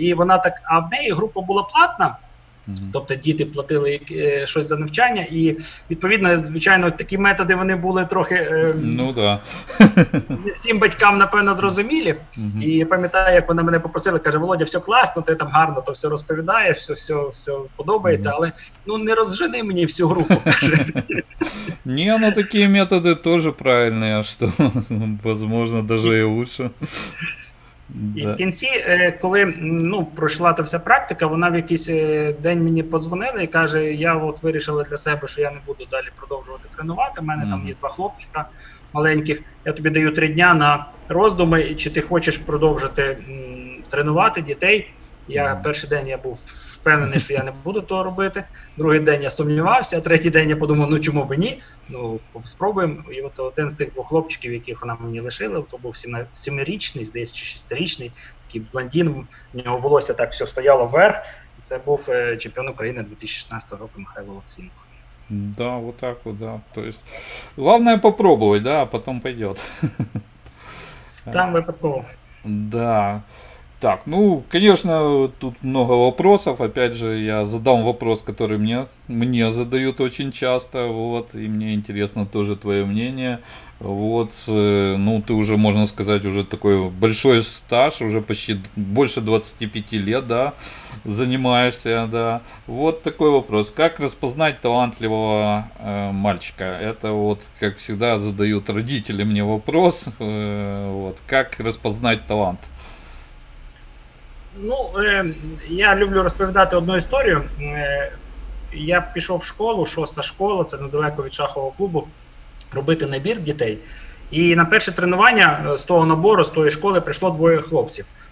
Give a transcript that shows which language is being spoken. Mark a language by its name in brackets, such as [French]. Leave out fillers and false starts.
[Ukrainian] І вона так, а в неї група була платна, тобто діти платили щось за навчання, і відповідно, звичайно, такі методи вони були трохи Ну да. не всім батькам, напевно, зрозумілі. І я пам'ятаю, як вона мене попросила, каже: Володя, все класно, ти там гарно то все розповідаєш, все подобається, але ну не розжени мені всю групу, каже. [Russian] Не, ну такие методы тоже правильные, что, возможно, даже и лучше. [Ukrainian] І в [Russian] Да. [Ukrainian] кінці, коли ну пройшла та вся практика, вона в якийсь день мені подзвонила і каже: я от вирішила для себе, що я не буду далі продовжувати тренувати. У мене там є два хлопчика маленьких. Я тобі даю 3 дні на роздуми, чи ти хочеш продовжити тренувати дітей. Я перший день я був впевнений, що я не буду того робити. Другий день я сумнівався. Третій день я подумав: ну чому би ні? Ну спробуємо. І от один з тих двох хлопчиків, яких вона мені лишила, то був 7-річний, здається, чи 6-річний, такий блондін. В нього волосся так все стояло вверх. Це був чемпіон України 2016 року Михайло Луценко. [Russian] Да, вот так вот, да. То есть, главное попробовать, да, а потом пойдет. [Ukrainian] Там випадково. [Russian] Да. Так, ну, конечно, тут много вопросов. Опять же, я задам вопрос, который мне задают очень часто. Вот, и мне интересно тоже твое мнение. Вот, ну, ты уже, можно сказать, уже такой большой стаж, уже почти больше 25 лет, да, занимаешься, да. Вот такой вопрос. Как распознать талантливого мальчика? Это вот, как всегда, задают родители мне вопрос. Вот, как распознать талант? Ну, [Ukrainian] я люблю розповідати одну історію. Я пішов в школу, 6-та школа, це недалеко від шахового клубу, робити набір дітей. І на перше тренування з того набору, з тої школи, прийшло двоє хлопців.